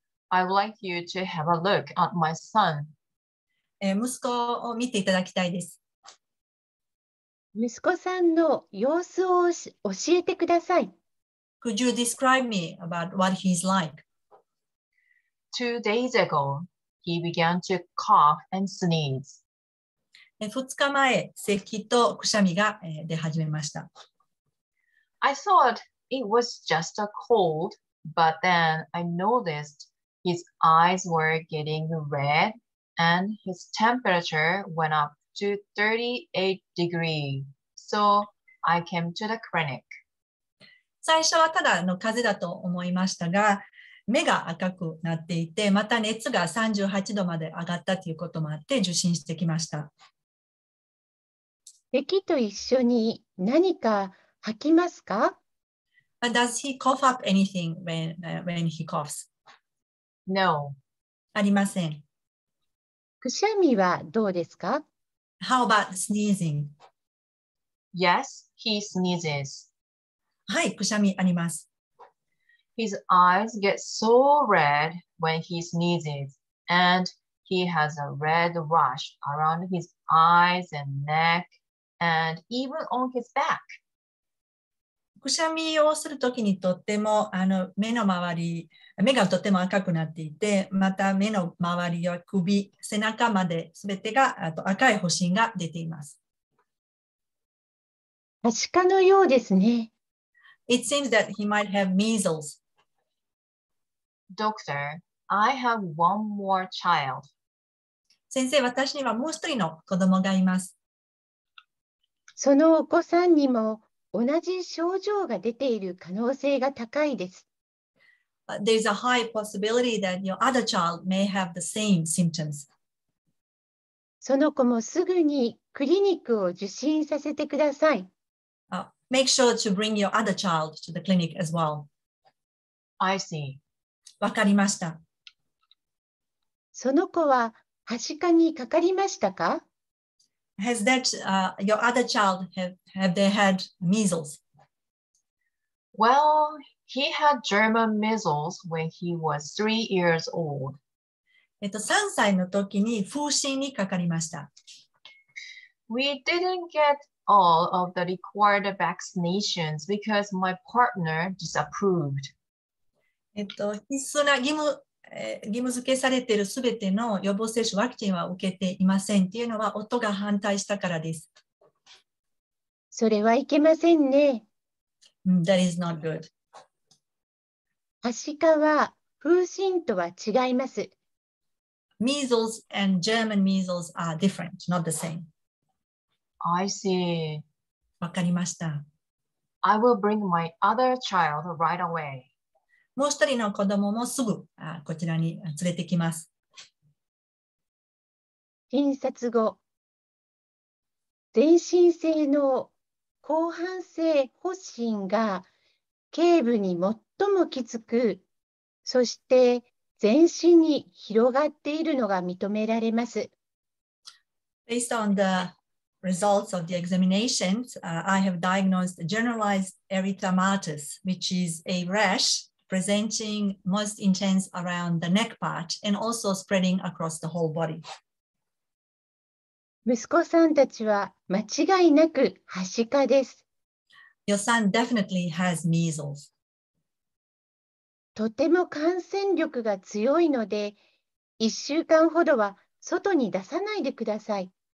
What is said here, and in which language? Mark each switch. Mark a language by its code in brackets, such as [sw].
[en] I would like you to have a look at my son. [ja] 息子を見ていただきたいです。息子さんの様子を教えてください。 [en] Could you describe me about what he's like? 2 days ago, he began to cough and sneeze. [ja] 2日前、咳とくしゃみが出始めました。 [en] I thought it was just a cold, but then I noticed his eyes were getting red and his temperature went up to 38 degrees. So I came to the clinic. [ja] 最初はただの風邪だと思いましたが、目が赤くなっていて、また熱が38度まで上がったということもあって受診してきました。咳と一緒に何か吐きますか？ [en] Does he cough up anything when he coughs? No. [ja] ありません。くしゃみはどうですか？ [en] How about sneezing? Yes, he sneezes. [ja] はい、くしゃみあります。 [en] His eyes get so red when he sneezes, and he has a red rash around his eyes and neck, and even on his back. [ja] くしゃみをするときにとっても目の周り、目がとても赤くなっていて、また目の周りや首、背中まで全てが赤い発疹が出ています。はしかのようですね。 [en] It seems that he might have measles. Doctor, I have one more child. [ja] 先生、私にはもう一人の子供がいます。そのお子さんにも同じ症状が出ている可能性が高いです。 [en] There's a high possibility that your other child may have the same symptoms. [ja] その子もすぐにクリニックを受診させてください。 [en] Make sure to bring your other child to the clinic as well. I see. [ja] わかりました。その子ははしかにかかりましたか？ [en] Has that, your other child, have they had measles? Well, he had German measles when he was 3 years old. [ja] 3歳の時に風疹にかかりました。 [en] We didn't get all of the required vaccinations because my partner disapproved. [ja] 必須な義務付けされているすべての予防接種ワクチンは受けていませんっていうのは夫が反対したからです。それはいけませんね。 [en] That is not good. [ja] はしかは風疹とは違います。 [en] Measles and German measles are different, not the same. I see. [ja] わかりました。 [en] I will bring my other child right away. [ja] もう一人の子供もすぐこちらに連れてきます。診察後、全身性の広汎性発疹が頸部に最もきつく、そして全身に広がっているのが認められます。 [en] Based on the results of the examinations, I have diagnosed generalized erythematosus, which is a rash presenting most intense around the neck part and also spreading across the whole body. [ja] 息子さんたちは間違いなくはしかです。 [en] Your son definitely has measles. [ja] とても感染力が強いので、1週間ほどは外に出さないでください。